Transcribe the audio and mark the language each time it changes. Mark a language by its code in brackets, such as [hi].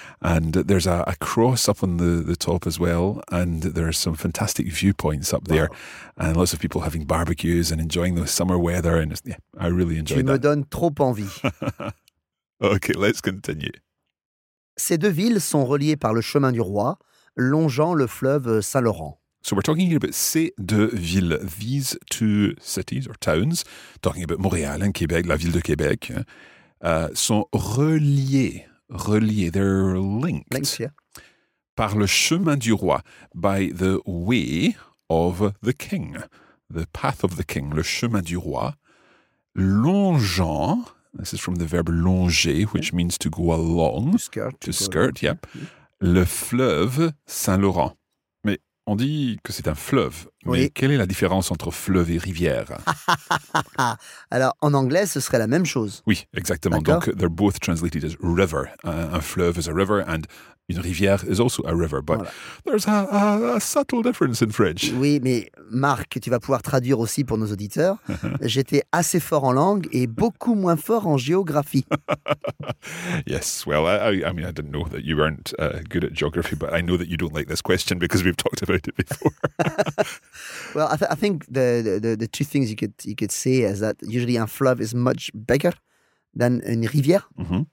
[en] And there's a cross up on the top as well. And there are some fantastic viewpoints up there. Wow. And lots of people having barbecues and enjoying the summer weather. And yeah, I really enjoyed [fr] tu [en] that. [fr] Tu me donnes trop envie. [en] Okay, let's continue. [fr] Ces deux villes sont reliées par le chemin du roi, longeant le fleuve Saint-Laurent. [en] So we're talking here about [fr] ces deux villes, [en] these two cities or towns, talking about Montréal and Québec, la ville de Québec, [fr] sont reliées, [en] they're linked yeah. [fr] Par le chemin du roi, [en] by the way of the king, the path of the king, [fr] le chemin du roi, longeant. [en] This is from the verb longer, which means to go along. To skirt. To skirt, yep. Yeah. [fr] Le fleuve Saint-Laurent. Mais On dit que c'est un fleuve, mais quelle est la différence entre fleuve et rivière? Alors, en anglais, ce serait la même chose. Oui, exactement. D'accord. [en] Donc, they're both translated as river. Un fleuve is a river and une rivière is also a river. But there's a subtle difference in French. [fr] Oui, mais Marc, tu vas pouvoir traduire aussi pour nos auditeurs. J'étais assez fort en langue et beaucoup moins fort en géographie. [en] Yes, well, I mean, I didn't know that you weren't good at geography, but I know that you don't like this question because we've talked about it before. Well, I think the two things you could say is that usually a fleuve is much bigger than une rivière. Mm-hmm.